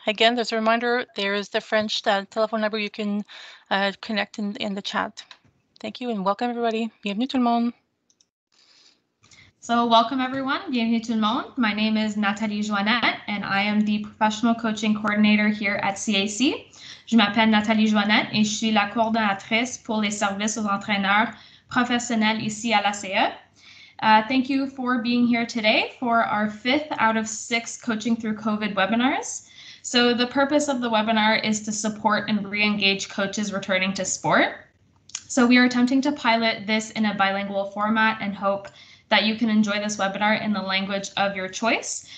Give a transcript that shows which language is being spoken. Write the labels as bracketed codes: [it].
[en] Again, as a reminder, there is the French telephone number you can connect in the chat. Thank you and welcome everybody. [fr] Bienvenue tout le monde. [en] So welcome everyone, [fr] bienvenue tout le monde. [en] My name is Nathalie Joannette and I am the professional coaching coordinator here at CAC. [fr] Je m'appelle Nathalie Joannette et je suis la coordonnatrice pour les services aux entraîneurs professionnels ici à la CE. [en] Thank you for being here today for our 5th out of 6 Coaching Through COVID webinars. So the purpose of the webinar is to support and re-engage coaches returning to sport. So we are attempting to pilot this in a bilingual format and hope that you can enjoy this webinar in the language of your choice.